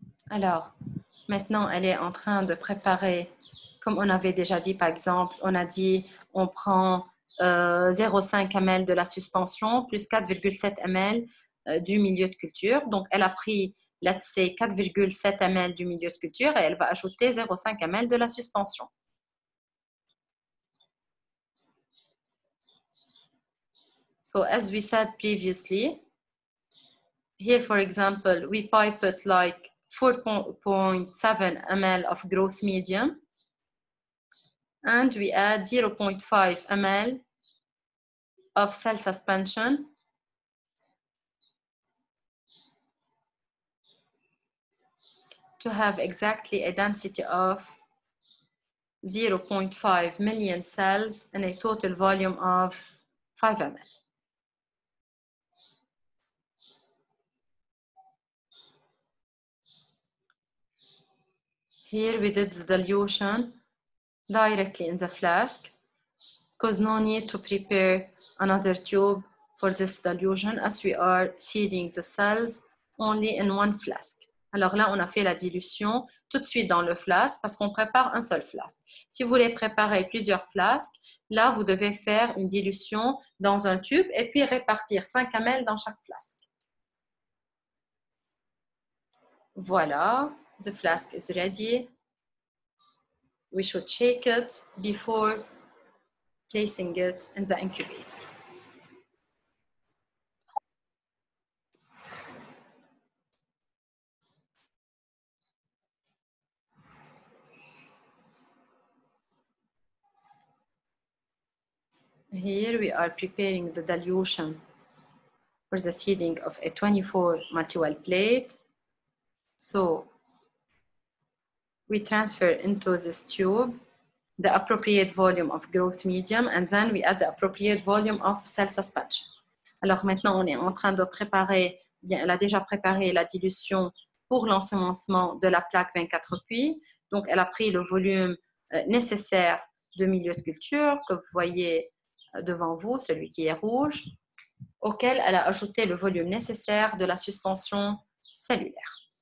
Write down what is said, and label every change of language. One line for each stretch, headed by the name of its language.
French: Alors, maintenant, elle est en train de préparer, comme on avait déjà dit, par exemple, on a dit, on prend 0,5 ml de la suspension plus 4,7 ml du milieu de culture. Donc, elle a pris,
English: let's say,
French: 4,7 ml du milieu de culture et elle va ajouter 0,5 ml de la suspension.
English: So, as we said previously, here, for example, we piped like 4.7 ml of growth medium and we add 0.5 ml of cell suspension. To have exactly a density of 0.5 million cells and a total volume of 5 ml. Here we did the dilution directly in the flask because no need to prepare another tube for this dilution as we are seeding the cells only in one flask.
French: Alors là, on a fait la dilution tout de suite dans le flasque parce qu'on prépare un seul flasque. Si vous voulez préparer plusieurs flasques, là, vous devez faire une dilution dans un tube et puis répartir 5 ml dans chaque flasque. Voilà,
English: the flask is ready. We should shake it before placing it in the incubator. Here we are preparing the dilution for the seeding of a 24 multi-well plate. So we transfer into this tube the appropriate volume of growth medium and then we add the appropriate volume of cell suspension.
French: Alors maintenant on est en train de préparer, bien, elle a déjà préparé la dilution pour l'ensemencement de la plaque 24Pi. Donc elle a pris le volume nécessaire de milieu de culture que vous voyez devant vous, celui qui est rouge, auquel elle a ajouté le volume nécessaire de la suspension cellulaire.